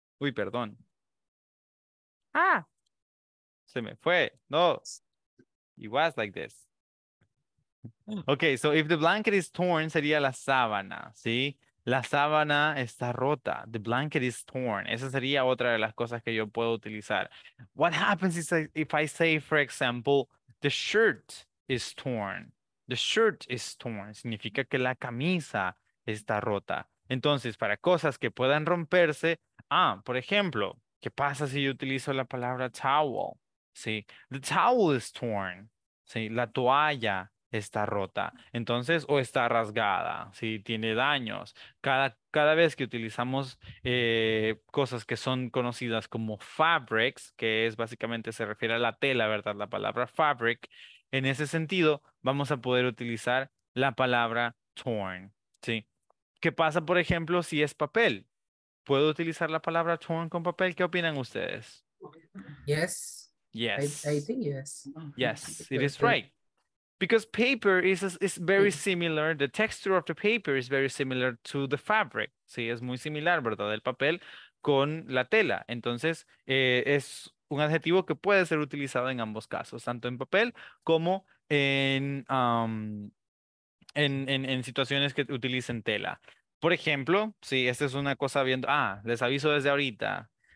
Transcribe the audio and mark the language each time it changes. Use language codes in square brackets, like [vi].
[es] Uy, perdón. Ah. Se me fue. No. [en] It was like this. Okay, so if the blanket is torn, [es] sería la sábana, ¿sí? La sábana está rota. [en] The blanket is torn. [es] Esa sería otra de las cosas que yo puedo utilizar. [en] What happens is if I say, for example, the shirt is torn. The shirt is torn. [es] Significa que la camisa está rota. Entonces, para cosas que puedan romperse, por ejemplo, ¿qué pasa si yo utilizo la palabra towel? Sí, [en] the towel is torn. [es] ¿sí? La toalla está rota, entonces, o está rasgada, ¿sí? Tiene daños. Cada vez que utilizamos cosas que son conocidas como fabrics, que es básicamente, se refiere a la tela, ¿verdad? La palabra fabric, en ese sentido, vamos a poder utilizar la palabra torn, ¿sí? ¿Qué pasa, por ejemplo, si es papel? ¿Puedo utilizar la palabra torn con papel? ¿Qué opinan ustedes? [en] Yes. Yes. I think yes. Yes, it is right. Because paper is very similar, the texture of the paper is very similar to the fabric. [es] Sí, es muy similar, ¿verdad? El papel con la tela. Entonces, es un adjetivo que puede ser utilizado en ambos casos, tanto en papel como en situaciones que utilicen tela. Por ejemplo, sí, esta es una cosa viendo... Ah, les aviso desde ahorita.